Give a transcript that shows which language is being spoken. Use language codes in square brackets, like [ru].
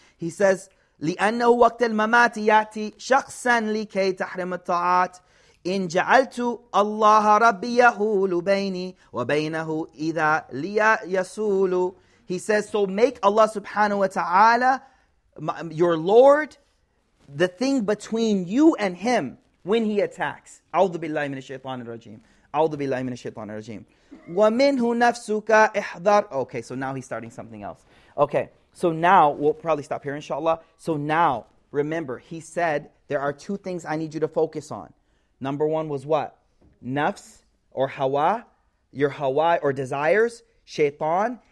[en] He says, [ar] لِأَنَّهُ وَقْتَ الْمَمَاتِ يَأْتِي شَخْصًا لِكَيْ تَحْرِمَ الطَّعَاتِ إِنْ جَعَلْتُ اللَّهَ رَبِّي يَهُولُ بَيْنِي وَبَيْنَهُ إِذَا لِيَ يَسُولُ. [en] He says, so make Allah subhanahu wa ta'ala your Lord, the thing between you and him when he attacks. [ar] أعوذ بالله من الشيطان الرجيم. أعوذ بالله من الشيطان الرجيم. وَمِنْهُ نَفْسُكَ إِحْذَرْ. [en] Okay, so now he's starting something else. Okay, so now we'll probably stop here, inshallah. So now, remember, he said, there are two things I need you to focus on. Number one was what? Nafs or hawa, your hawa or desires, shaitan.